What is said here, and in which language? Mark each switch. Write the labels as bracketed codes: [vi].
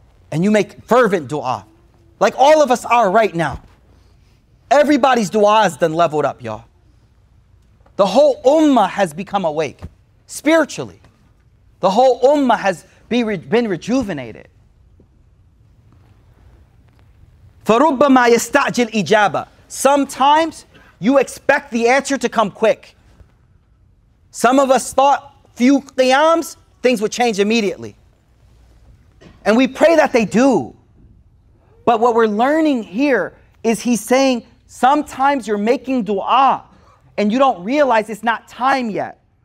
[en] And you make fervent dua. Like all of us are right now. Everybody's dua has been leveled up, y'all. The whole ummah has become awake. Spiritually. The whole ummah has been rejuvenated. [ar] فَرُبَّمَا يَسْتَعْجِلْ إِجَابَةً. [en] Sometimes You expect the answer to come quick. Some of us thought few qiyams, things would change immediately. And we pray that they do. But what we're learning here is he's saying, sometimes you're making dua and you don't realize it's not time yet.